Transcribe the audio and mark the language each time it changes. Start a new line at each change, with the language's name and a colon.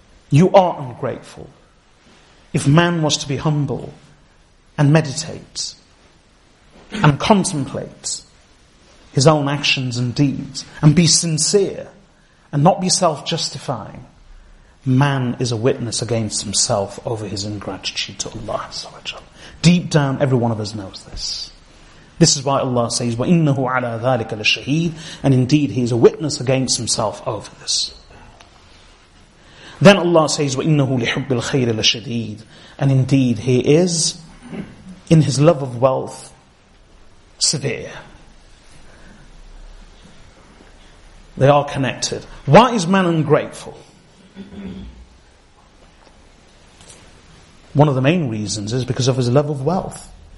English: You are ungrateful. If man was to be humble and meditate and contemplate his own actions and deeds and be sincere and not be self-justifying, man is a witness against himself over his ingratitude to Allah. Deep down, every one of us knows this. This is why Allah says,
Arabic: وَإِنَّهُ عَلَىٰ ذَٰلِكَ لَشَهِيدٌ.
English: And indeed, he is a witness against himself over this. Then Allah says,
Arabic: وَإِنَّهُ لِحُبِّ الْخَيْرِ لَشَدِيدٌ.
English: And indeed, he is, in his love of wealth, severe. They are connected. Why is man ungrateful? One of the main reasons is because of his love of wealth.